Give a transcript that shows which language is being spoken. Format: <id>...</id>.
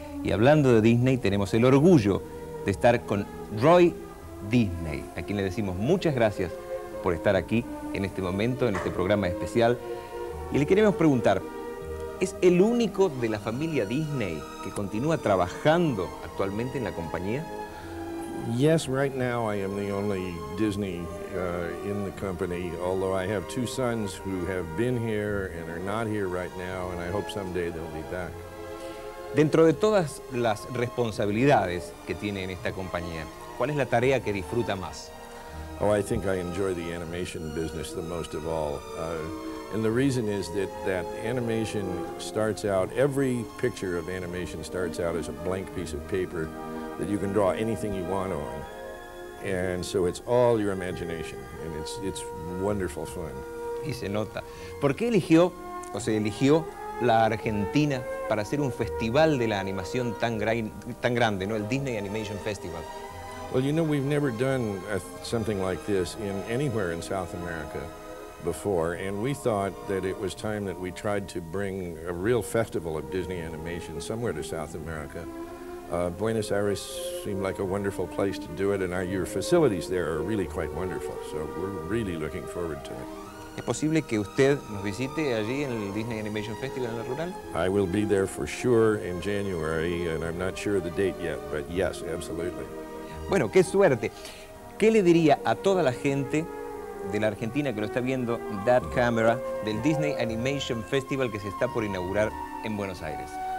<es>Y hablando de Disney, tenemos el orgullo de estar con Roy Disney, a quien le decimos muchas gracias por estar aquí en este momento, en este programa especial. Y le queremos preguntar, ¿es el único de la familia Disney que continúa trabajando actualmente en la compañía?</es> <en>Yes, right now I am the only Disney in the company, although I have two sons who have been here and are not here right now, and I hope someday they'll be back.</en> <es>Dentro de todas las responsabilidades que tiene en esta compañía, ¿cuál es la tarea que disfruta más?</es> <en>Oh, I think I enjoy the animation business the most of all. And the reason is that animation starts out, every picture of animation starts out as a blank piece of paper that you can draw anything you want on. And so it's all your imagination, and it's wonderful fun.</en> <es>Y se nota. ¿Por qué eligió, o se eligió, la Argentina para hacer un festival de la animación tan grande, ¿no? El Disney Animation Festival.</es> <en>Well, you know, we've never done something like this in anywhere in South America before, and we thought that it was time that we tried to bring a real festival of Disney animation somewhere to South America. Buenos Aires seemed like a wonderful place to do it, and your facilities there are really quite wonderful, so we're really looking forward to it.</en> <es>¿Es posible que usted nos visite allí en el Disney Animation Festival en la rural?</es> <en>I will be there for sure in January, and I'm not sure of the date yet, but yes, absolutely.</en> <es>Bueno, qué suerte. ¿Qué le diría a toda la gente de la Argentina que lo está viendo,</es> <en>that camera,</en> <es>del Disney Animation Festival que se está por inaugurar en Buenos Aires?</es>